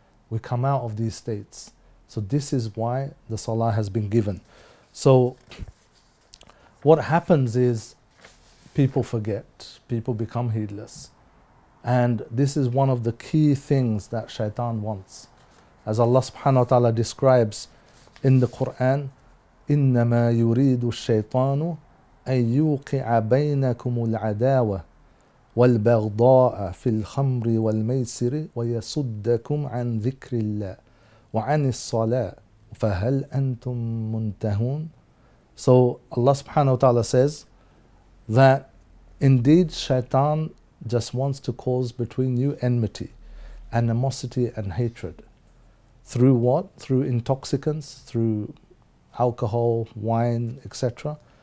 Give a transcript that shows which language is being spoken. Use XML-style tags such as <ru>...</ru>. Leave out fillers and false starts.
<en>We come out of these states. So this is why the salah has been given. So what happens is people forget, people become heedless. And this is one of the key things that shaitan wants. As Allah subhanahu wa ta'ala describes in the Quran,</en> <ar>إِنَّمَا يُرِيدُ الشَّيْطَانُ أَن يُوقِعَ بَيْنَكُمُ الْعَدَاوَةِ وَالْبَغْضَاءَ فِي الْخَمْرِ وَالْمَيْسِرِ وَيَسُدَّكُمْ عَنْ ذِكْرِ اللَّهِ وَعَنِ الصَّلَاةِ فَهَلْ أَنْتُمْ مُنْتَهُونَ.</ar> <en>So Allah subhanahu wa ta'ala says that indeed shaitan just wants to cause between you enmity, animosity and hatred. Through what? Through intoxicants, through alcohol, wine, etc.</en>